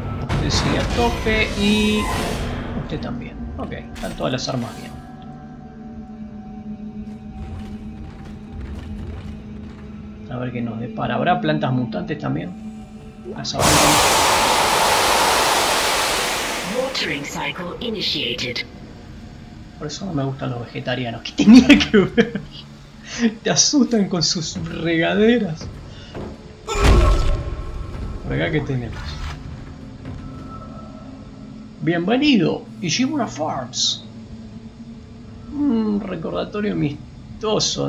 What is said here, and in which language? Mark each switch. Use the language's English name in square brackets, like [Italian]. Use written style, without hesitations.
[Spanish] Usted sigue a tope. Y usted también. Ok, están todas las armas bien. A ver qué nos depara. ¿Habrá plantas mutantes también? A saber. [English] Watering cycle initiated. [Spanish] Por eso no me gustan los vegetarianos. ¿Qué tenía que ver? Te asustan con sus regaderas. Por acá, ¿qué tenemos? Bienvenido, Ishimura Farms. Un recordatorio amistoso.